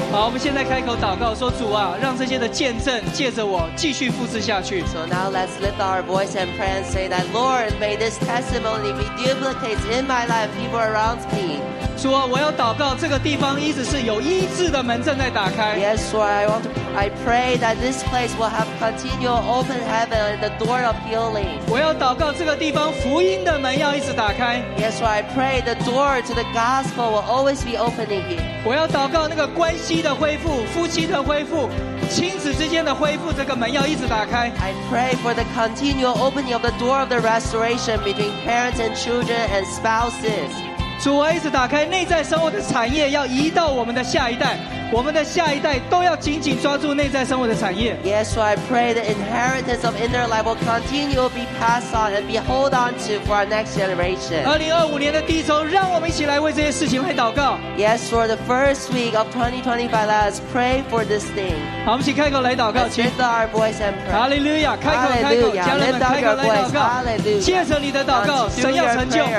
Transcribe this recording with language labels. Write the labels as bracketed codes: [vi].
[zh] 们现在开口祷告，说主啊，让这些的见证借着我继续复制下去。 [en] So now let's lift our voice and pray and say that, Lord, may this testimony be duplicated in my life, people around me. [zh] 主啊，我要祷告，这个地方一直是有医治的门正在打开。 [en] Yes, Lord, I pray that this place will have continual open heaven and the door of healing. [zh] 我要祷告，这个地方福音的门要一直打开。 [en] Yes, Lord, I pray the door to the gospel will always be opening here. [zh] 我要祷告那个关系的恢复，夫妻的恢复，亲子之间的恢复，这个门要一直打开。 [en] I pray for the continual opening of the door of the restoration between parents and children and spouses. [zh] 主啊，一直打开内在生活的产业，要移到我们的下一代，我们的下一代都要紧紧抓住内在生活的产业。 [en] Yes, so I pray the inheritance of inner life will continue to be passed on and be hold on to for our next generation. [zh] 2025年的第一周，让我们一起来为这些事情来祷告。 [en] Yes, for the first week of 2025, let us pray for this thing. [zh] 好，我们一起开口来祷告。 [en] Let's lift our voice and pray. Hallelujah! [zh] 开口，开口，家人们，开口来祷告。 [en] Hallelujah! [zh] 借着你的祷告，神要成就。